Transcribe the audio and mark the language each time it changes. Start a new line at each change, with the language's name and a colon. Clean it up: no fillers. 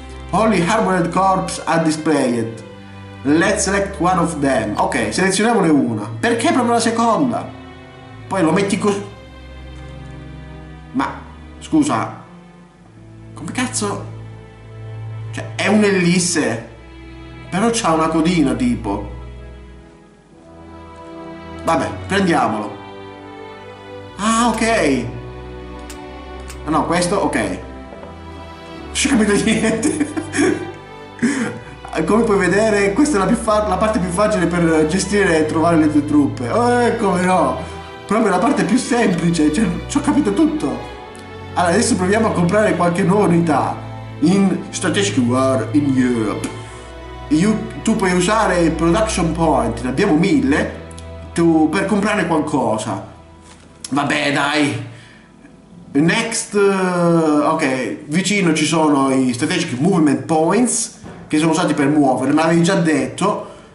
English: Only Hardwired Corps are displayed. Let's select one of them.
Italian: Ok, selezioniamone una. Perché proprio la seconda? poi lo metti così. Ma scusa, come cazzo? Cioè, è un'ellisse, però c'ha una codina tipo. Vabbè, prendiamolo. Ah, ok. No, questo, ok. Non ho capito niente. Come puoi vedere, questa è la parte più facile per gestire e trovare le tue truppe. Come no? Proprio la parte più semplice, cioè, ci ho capito tutto. Allora, adesso proviamo a comprare qualche nuova unità. In Strategic War in Europe. Tu puoi usare Production Point, ne abbiamo 1000. Tu, per comprare qualcosa. Vabbè, dai. Next, ok, vicino ci sono i Strategic Movement Points, che sono usati per muovere, me l'avevi già detto.